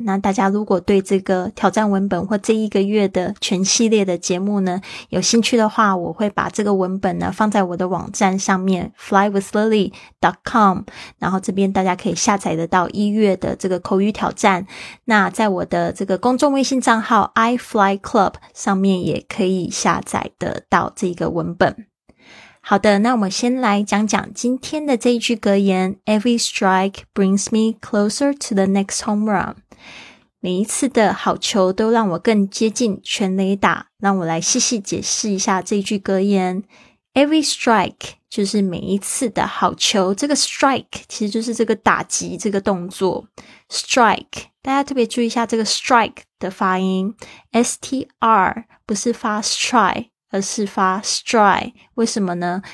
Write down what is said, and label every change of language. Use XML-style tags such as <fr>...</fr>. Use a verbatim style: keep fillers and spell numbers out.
<zh>那大家如果对这个挑战文本或这一个月的全系列的节目呢有兴趣的话，我会把这个文本呢放在我的网站上面 fly with lily dot com， 然后这边大家可以下载得到一月的这个口语挑战。那在我的这个公众微信账号 iFly Club 上面也可以下载得到这个文本。好的，那我们先来讲讲今天的这一句格言</zh> <en>Every strike brings me closer to the next home run。</en> <zh>每一次的好球都让我更接近全垒打。让我来细细解释一下这一句格言。Every strike 就是每一次的好球，这个 strike 其实就是这个打击这个动作。 strike 大家特别注意一下这个 strike 的发音， S T R 不是发 strike，而是发 strike。为什么呢？</zh>